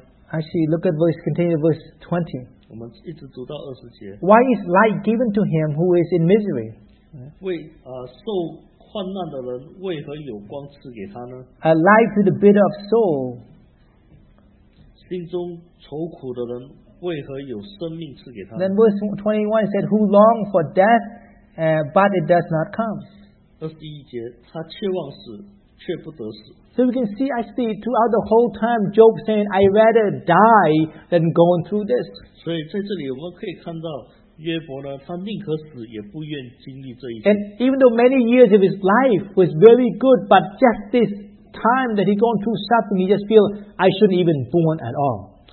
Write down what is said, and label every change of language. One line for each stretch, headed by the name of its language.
English: Actually, look at verse continue verse 20.
Chinese: 我们一直读到二十节。
English: Why is light given to him who is in misery?
Chinese: 为受患难的人为何有光赐给他呢？
English: A light to the bitter of soul.
Chinese: 心中愁苦的人为何有生命赐给他
English: Then verse 21 said, Who long for death, but it does not come.
Chinese: 21节他却望死却不得死
English: So we can see, actually, throughout the whole time, Job saying, I'd rather die than going through this.
Chinese: 所以在这里我们可以看到约伯呢他宁可死也不愿经历这一切
English: And even though many years of his life was very good, but just thisTime that he gone through suffering, he just feel I shouldn't even born at all.